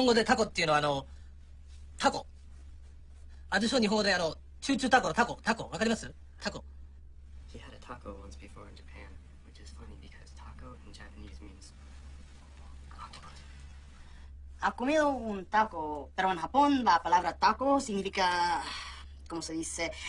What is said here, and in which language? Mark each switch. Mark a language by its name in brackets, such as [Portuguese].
[Japanese] あの、日本でタコを食べたことがありますよ。でも、日本語でタコっていうのは、タコ。あ、でしょ、日本語で、チューチュータコのタコ、タコ、わかります? タコ。 [English] He had a taco once before in Japan, which is funny because taco in Japanese means... [Spanish] Ha comido un taco, pero en Japón la palabra taco significa, ¿cómo se dice?